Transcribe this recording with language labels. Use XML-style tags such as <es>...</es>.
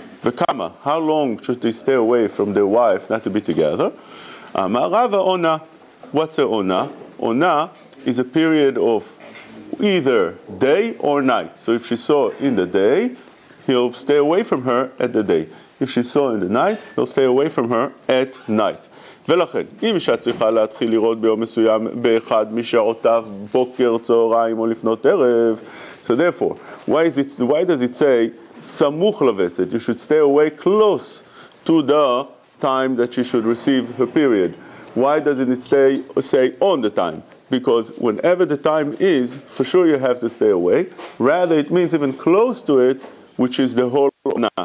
<en>V'kama, how long should they stay away from their wife not to be together?</en> <he>Amar Rava</he> <en>Ona, what's a Ona? Ona is a period of either day or night. So if she saw in the day, he'll stay away from her at the day. If she saw in the night, he'll stay away from her at night.</en> <he>ולכן, אם אישה צריכה להתחיל לראות ביום מסוים באחד משעותיו בוקר, צהריים או לפנות ערב.</he> <en>So therefore, why does it say</en> <he>סמוך לווסת?</he> <en>You should stay away close to the time that she should receive her period. Why doesn't it say on the time? Because whenever the time is, for sure you have to stay away. Rather, it means even close to it, which is the whole onah.</en>